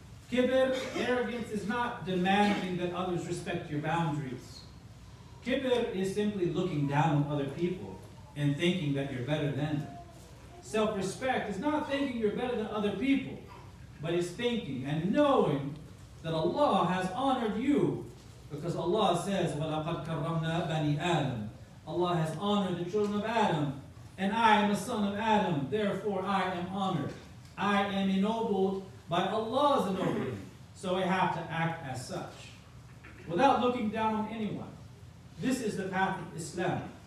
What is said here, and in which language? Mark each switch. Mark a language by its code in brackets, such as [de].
[en] Kibir, arrogance, is not demanding that others respect your boundaries. Kibir is simply looking down on other people and thinking that you're better than them. Self-respect is not thinking you're better than other people, but is thinking and knowing that Allah has honored you. Because Allah says, [ar] وَلَقَدْ كَرَّمْنَا بَنِي آدَمَ. [en] Allah has honored the children of Adam, and I am a son of Adam, therefore I am honored. I am ennobled by Allah's ennobling, so I have to act as such. Without looking down on anyone, this is the path of Islam.